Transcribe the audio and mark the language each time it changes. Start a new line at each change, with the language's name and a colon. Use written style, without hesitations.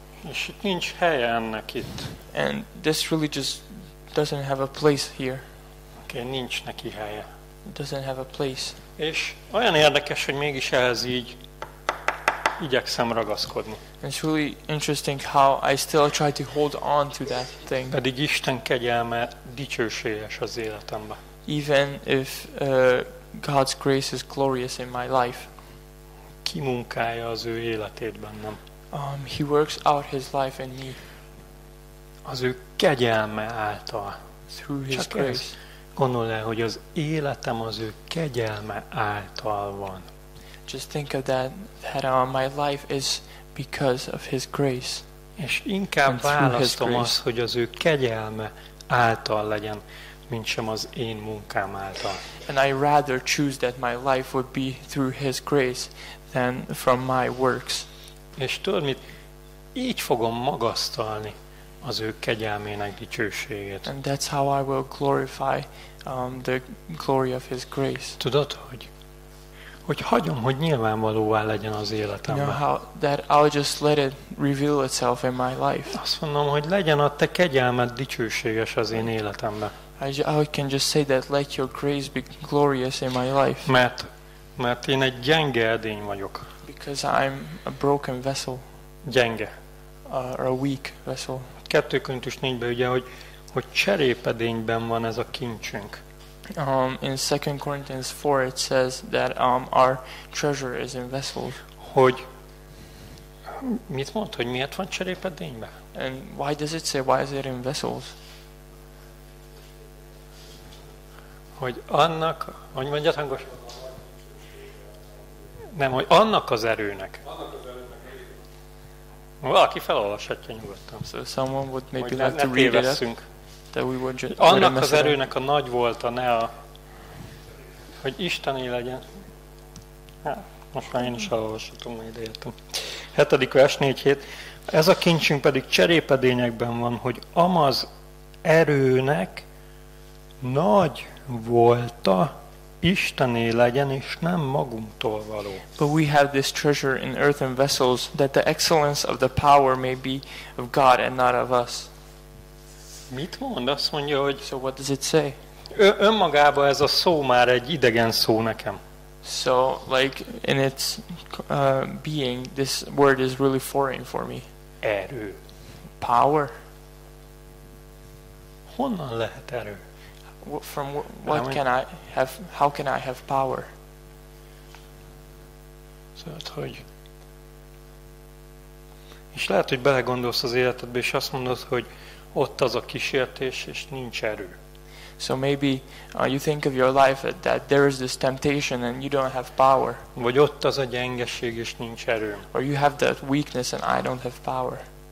Hungarian: És itt nincs helye ennek itt.
English: And this really just doesn't have a place here.
Hungarian: Okay, nincs neki helye.
English: It doesn't have a place.
Hungarian: És olyan érdekes, hogy mégis ehhez így igyekszem ragaszkodni.
English: It's really interesting how I still try to hold on to that thing.
Hungarian: Pedig Isten kegyelme dicsőséges az életemben.
English: Even if God's grace is glorious in my life.
Hungarian: Ki munkálja az ő életét bennem?
English: He works out his life in me.
Hungarian: Az ő kegyelme által.
English: Through his
Hungarian: csak
English: grace.
Hungarian: Gondol el, hogy az életem az ő kegyelme által van.
English: Just think of that, that my life is because of his grace.
Hungarian: És inkább választom azt, hogy az ő kegyelme által legyen, mint sem az én munkám által.
English: And I rather choose that my life would be through his grace than from my works.
Hungarian: És tudod mit? Így fogom magasztalni az ő kegyelmének dicsőségét.
English: And that's how I will glorify the glory of his grace.
Hungarian: Tudod, hogy hagyom, hogy nyilvánvalóvá legyen az életemben.
English: You know how that I'll just let it reveal itself in my life.
Hungarian: Azt mondom, hogy legyen a te kegyelmed dicsőséges az én életemben.
English: I can just say that let your grace be glorious in my life.
Hungarian: Mert én egy gyenge edény vagyok.
English: Because I'm a broken vessel.
Hungarian: Gyenge.
English: Or a weak vessel.
Hungarian: 2 Korintus 4-ben ugye, hogy cserépedényben van ez a kincsünk.
English: In 2 Corinthians 4 it says that our treasure is in vessels.
Hungarian: Hogy mit mond, hogy miért van cserépedényben?
English: And why does it say why is it in vessels?
Hungarian: Hogy annak, hogy mondjad hangos? Nem, hogy annak az erőnek. Valaki felolvashatja nyugodtan.
English: So someone would maybe like to read it up, that we would just,
Hungarian: annak az erőnek a nagy volta, ne a... Hogy Istené legyen. Most már én is elolvashatom, majd értem. 7. vers 4-7. Ez a kincsünk pedig cserépedényekben van, hogy amaz erőnek nagy volta, Istené legyen, és nem magunktól való.
English: But we have this treasure in earthen vessels, that the excellence of the power may be of God and not of us.
Hungarian: Mit mond? Azt mondja, hogy
English: so what does it say?
Hungarian: Önmagában ez a szó már egy idegen szó nekem.
English: So, like, in its being, this word is really foreign for me.
Hungarian: Erő.
English: Power.
Hungarian: Honnan lehet erő?
English: From what can I have? How can I have power?
Hungarian: Szóval, hogy és lehet, hogy belegondolsz az életedbe, és azt mondod, hogy ott az a kísértés, és nincs erő.
English: So maybe you think of your life that there is this temptation and you don't have power.
Hungarian: Vagy ott az a gyengeség, és nincs erő.
English: Or you have that weakness and I don't have power.